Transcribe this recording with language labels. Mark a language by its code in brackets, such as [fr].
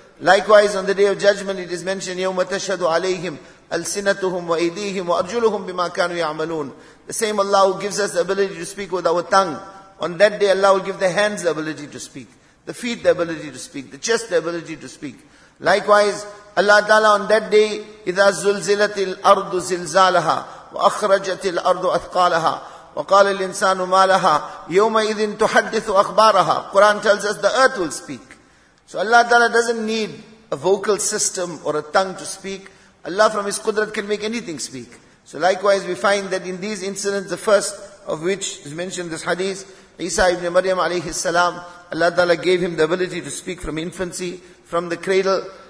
[en] Likewise, on the Day of Judgment, it is mentioned, [ar] يَوْمَ تَشْهَدُ عَلَيْهِمْ أَلْسِنَتُهُمْ وَأَيْدِيهِمْ وَأَرْجُلُهُمْ بِمَا كَانُوا يَعْمَلُونَ. [en] The same Allah who gives us the ability to speak with our tongue. On that day, Allah will give the hands the ability to speak, the feet the ability to speak, the chest the ability to speak. Likewise, Allah Ta'ala on that day, [ar] إِذَا زُلْزِلَتِ الْأَرْضُ زِلْزَالَهَا وَأَخْرَجَتِ الْأَرْضُ أَثْقَالَهَا وَقَالَ الْإِنسَانُ مَا لَهَا يَوْمَئِذٍ تُحَدِّثُ أَخْبَارَهَا. [en] Quran tells us the earth will speak. So Allah Ta'ala doesn't need a vocal system or a tongue to speak. Allah from His Qudrat can make anything speak. So likewise, we find that in these incidents, the first of which is mentioned this hadith, Isa ibn Maryam alayhi salam, Allah Ta'ala gave him the ability to speak from infancy, from the cradle.